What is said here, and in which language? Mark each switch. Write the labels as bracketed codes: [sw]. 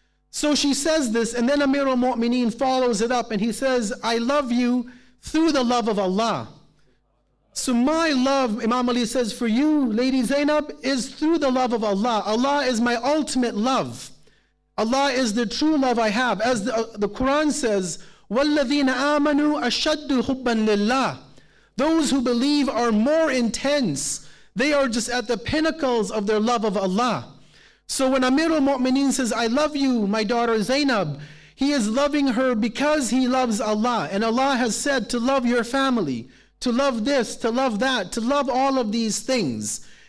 [en] So she says this, and then Amir al-Mu'mineen follows it up, and he says, I love you through the love of Allah. So my love, Imam Ali says, for you, Lady Zainab, is through the love of Allah. Allah is my ultimate love. Allah is the true love I have. As the Quran says, [ar] وَالَّذِينَ آمَنُوا أَشَدُّ حُبًّا لِلَّهِ. [en] Those who believe are more intense. They are just at the pinnacles of their love of Allah. So when Amir al-Mu'mineen says, I love you, my daughter Zainab, he is loving her because he loves Allah. And Allah has said to love your family, to love this, to love that, to love all of these things.